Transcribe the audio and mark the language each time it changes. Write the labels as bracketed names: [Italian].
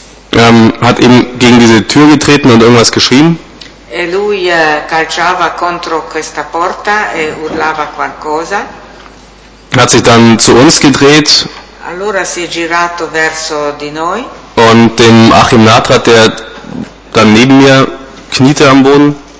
[German] Hat eben gegen diese Tür getreten und irgendwas geschrien. [Italian] E lui calciava contro questa porta e urlava qualcosa. [German] Hat sich dann zu uns gedreht. [Italian] Allora si è girato verso di noi. [German] Und dem Achim Natrat, der dann neben mir kniete am Boden.